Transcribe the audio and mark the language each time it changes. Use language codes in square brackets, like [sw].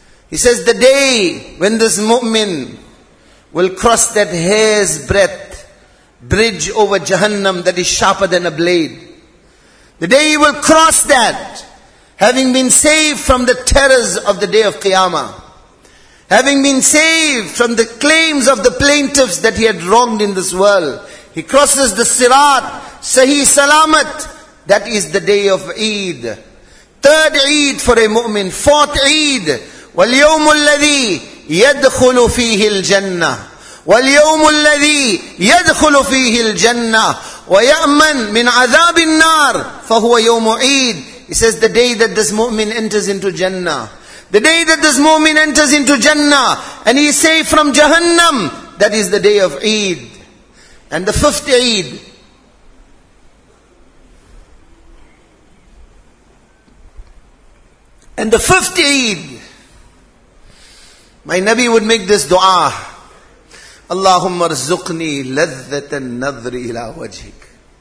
[en] He says, the day when this mu'min will cross that hair's breadth bridge over Jahannam that is sharper than a blade, the day he will cross that, having been saved from the terrors of the day of Qiyamah, having been saved from the claims of the plaintiffs that he had wronged in this world, he crosses the Sirat, Sahih Salamat, that is the day of Eid. Third Eid for a mu'min, fourth Eid, [ar] وَالْيَوْمُ الَّذِي يَدْخُلُ فِيهِ الْجَنَّةِ وَالْيَوْمُ الَّذِي يَدْخُلُ فِيهِ الْجَنَّةِ وَيَأْمَنْ مِنْ عَذَابِ النَّارِ فَهُوَ يَوْمُ عِيدٍ. [en] He says, the day that this mu'min enters into Jannah, the day that this mu'min enters into Jannah, and he is saved from Jahannam, that is the day of Eid. And the fifth Eid, and the fifth Eid, my Nabi would make this dua, [ar] Allahumma rzuqni ladhatan nadri ila wajhik.